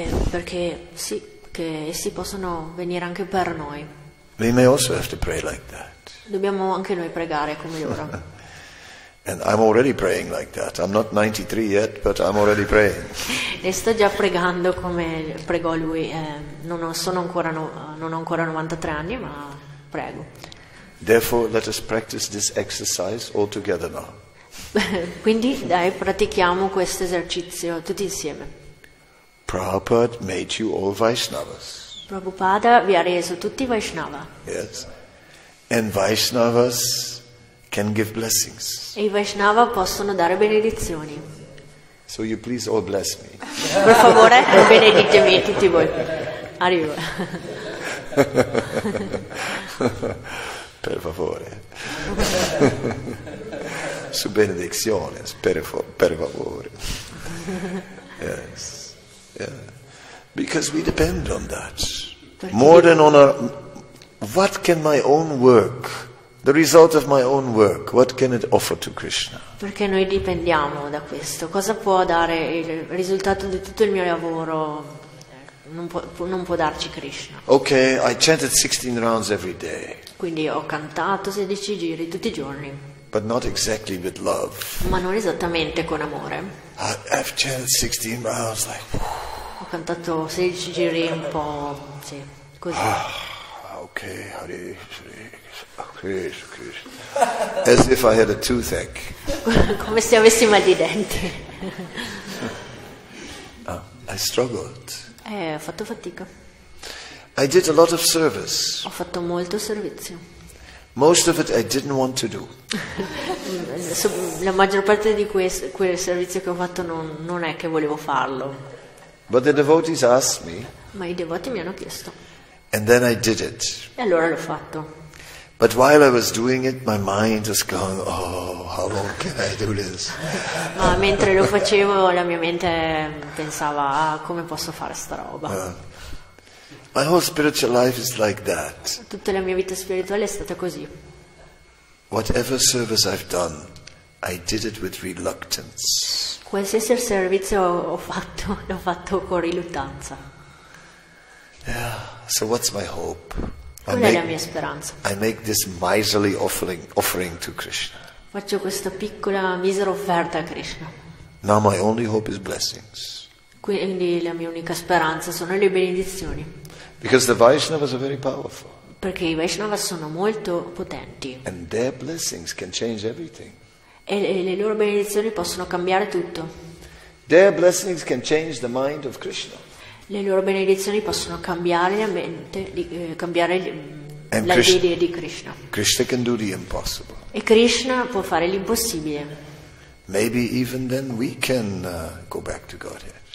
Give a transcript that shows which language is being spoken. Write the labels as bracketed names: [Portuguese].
[Italian] Perché sì, che essi possono venire anche per noi. [English] We may also have to pray like that. [Italian] Dobbiamo anche noi pregare come loro. [English] And I'm already praying like that. I'm not 93 yet, but I'm already praying. [Italian] E sto già pregando come pregò lui. Non ho ancora 93 anni, ma prego. [English] Therefore, let us practice this exercise all together now. [Italian] Quindi, dai, pratichiamo questo esercizio tutti insieme. [English] Prabhupada made you all Vaishnavas. [Italian] Prabhupada vi ha reso tutti Vaishnava. [English] Yes. And Vaishnavas can give blessings. [Italian] E i Vaishnava possono dare benedizioni. [English] So you please all bless me. [Italian] Per favore, benedicemi tutti voi. Arrivo. Per favore. Su benedizione, per favore. [English] Yes. Yeah. Because we depend on that. More than on our, what can my own work, the result of my own work, what can it offer to Krishna? [Italian] Perché noi dipendiamo da questo. Cosa può dare il risultato di tutto il mio lavoro? Non può darci Krishna. [English] Okay, I chanted 16 rounds every day. [Italian] Quindi ho cantato 16 giri tutti i giorni. [English] But not exactly with love. [Italian] Ma non esattamente con amore. [English] I've chanted 16 rounds like. [Italian] Ho cantato 16 giri un po', sì, così. [English] Okay, Hare Krishna, Krishna. As if I had a toothache. [Italian] Come se avessi mal di denti. [English] I struggled. [Italian] Ho fatto fatica. [English] I did a lot of service. [Italian] Ho fatto molto servizio. [English] Most of it I didn't want to do. [Italian] La maggior parte di quel servizio che ho fatto non è che volevo farlo. [English] But the devotees asked me. [Italian] Ma i devoti mi hanno chiesto. [English] And then I did it. [Italian] E allora l'ho fatto. [English] But while I was doing it, my mind was going, oh, how long can I do this? [Italian] Ma mentre lo facevo, la mia mente pensava, ah, come posso fare sta roba? [English] My whole spiritual life is like that. [Italian] Tutta la mia vita spirituale è stata così. [English] Whatever service I've done, I did it with reluctance. [Italian] Qualsiasi servizio ho fatto, l'ho fatto con riluttanza. [English] Yeah. So what's my hope? [Italian] Qual è la mia speranza? [English] I make this miserly offering to Krishna. [Italian] Faccio questa piccola misera offerta a Krishna. [English] Now my only hope is blessings. [Italian] Quindi la mia unica speranza sono le benedizioni. [English] Because the Vaishnavas are very powerful. [Italian] Perché i Vaishnava sono molto potenti. [English] And their blessings can change everything. [Italian] E le loro benedizioni possono cambiare tutto. [English] Their blessings can change the mind of Krishna. [Italian] Le loro benedizioni possono cambiare la mente, cambiare l'idea di Krishna. [English] Krishna can do the impossible. [Italian] E Krishna può fare l'impossibile. [English] Maybe even then we can go back to Godhead.